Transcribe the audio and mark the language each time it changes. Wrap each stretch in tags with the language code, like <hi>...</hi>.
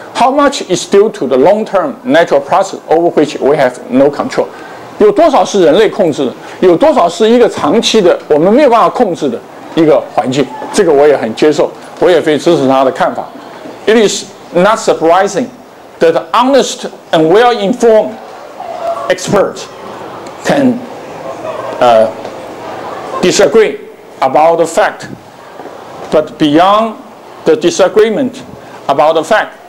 <en>How much is due to the long-term natural process over which we have no control？</en> <zh>有多少是人类控制的？有多少是一个长期的我们没有办法控制的一个环境？这个我也很接受，我也非常支持他的看法。</zh> <en>It is not surprising that honest and well-informed experts can disagree about the fact， but beyond the disagreement about the fact。</en>